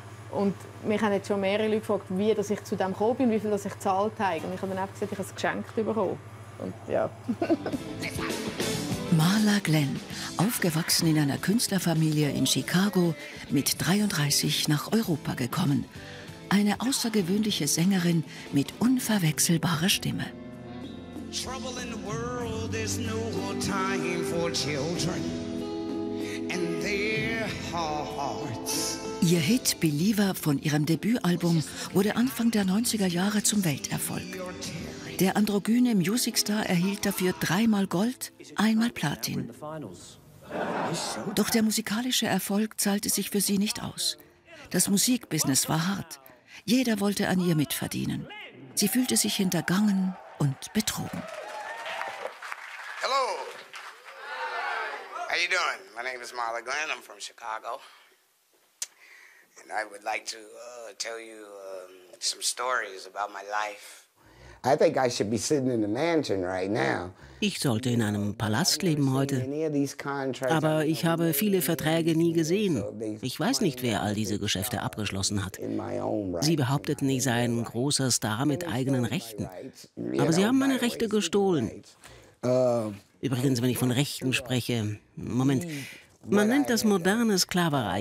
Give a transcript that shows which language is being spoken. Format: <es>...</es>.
<de>Und mich haben jetzt schon mehrere Leute gefragt, wie dass ich zu dem gekommen bin, wie viel dass ich gezahlt habe. Und ich habe dann einfach gesagt, ich habe es geschenkt bekommen. Und ja. Marla Glenn, aufgewachsen in einer Künstlerfamilie in Chicago, mit 33 nach Europa gekommen. Eine außergewöhnliche Sängerin mit unverwechselbarer Stimme.</de> <en>Trouble in the world is no time for children and their hearts.</en> <de>Ihr Hit Believer von ihrem Debütalbum wurde Anfang der 90er Jahre zum Welterfolg. Der androgyne Musicstar erhielt dafür 3-mal Gold, 1-mal Platin. Doch der musikalische Erfolg zahlte sich für sie nicht aus. Das Musikbusiness war hart. Jeder wollte an ihr mitverdienen. Sie fühlte sich hintergangen und betrogen.</de> <en>Hello. How you doing? My name is Marla Glenn. I'm from Chicago. And I would like to tell you some stories about my life. I think I should be sitting in a mansion right now.</en> <de>Ich sollte in einem Palast leben heute. Aber ich habe viele Verträge nie gesehen. Ich weiß nicht, wer all diese Geschäfte abgeschlossen hat. Sie behaupteten, ich sei ein großer Star mit eigenen Rechten. Aber sie haben meine Rechte gestohlen. Übrigens, wenn ich von Rechten spreche, Moment, man nennt das moderne Sklaverei.</de>